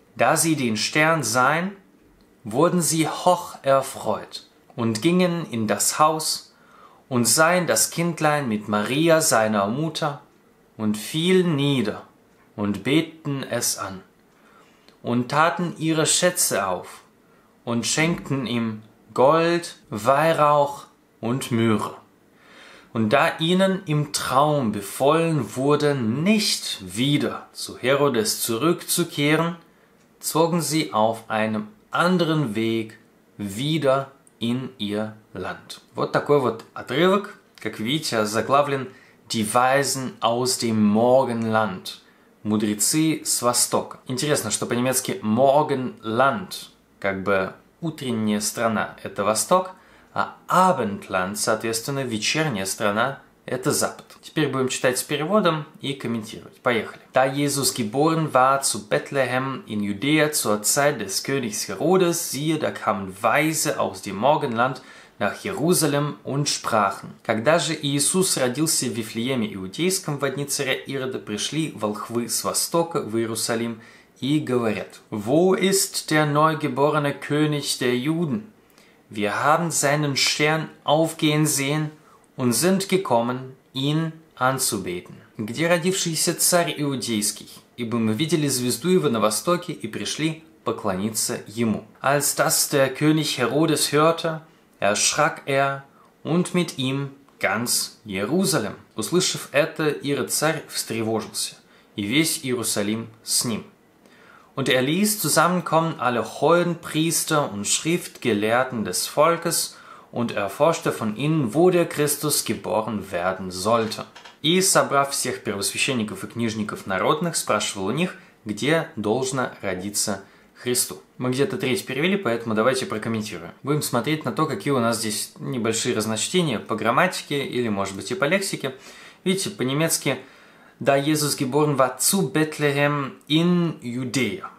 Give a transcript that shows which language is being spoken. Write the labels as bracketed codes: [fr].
[de] Da sie den Stern sahen, wurden sie hoch erfreut und gingen in das Haus und sahen das Kindlein mit Maria, seiner Mutter, und fielen nieder und beteten es an und taten ihre Schätze auf und schenkten ihm Gold, Weihrauch und Myrrhe. Und da ihnen im Traum befohlen wurde, nicht wieder zu Herodes zurückzukehren, zogen sie auf einem anderen Weg wieder in ihr Land. [ru] Вот такой вот отрывок, как видите, озаглавлен [de] «Die Weisen aus dem Morgenland». [ru] «Мудрецы с Востока». Интересно, что по-немецки «Morgenland», как бы «утренняя страна» — это Восток, а Abendland, соответственно, вечерняя страна, это Запад. Теперь будем читать с переводом и комментировать. Поехали. [de] Da Jesus geboren war zu Bethlehem in Judäa zur Zeit des Königs Herodes, siehe, da kamen Weise aus dem Morgenland nach Jerusalem und sprachen. [ru] Когда же Иисус родился в Вифлееме Иудейском в дни царя Ирода, пришли волхвы с востока в Иерусалим и говорят: [de] Wo ist der neugeborene König der Juden? Wir haben seinen Stern aufgehen sehen und sind gekommen, ihn anzubeten. [ru] Где родившийся царь иудейский? Ибо мы видели звезду его на востоке и пришли поклониться ему. [de] Als das der König Herodes hörte, erschrak er und mit ihm ganz Jerusalem. [ru] Услышав это, Ирод царь встревожился, и весь Иерусалим с ним. [de] Und er ließ zusammenkommen alle hohen Priester und Schriftgelehrten des Volkes und erforschte von ihnen, wo der Christus geboren werden sollte. [ru] И собрав всех первосвященников и книжников народных, спрашивал у них, где должно родиться Христу. Мы где-то треть перевели, поэтому давайте прокомментируем. Будем смотреть на то, какие у нас здесь небольшие разночтения по грамматике или, может быть, и по лексике. Видите, по-немецки... [de] Da Jesus geboren war zu Bethlehem in Judäa.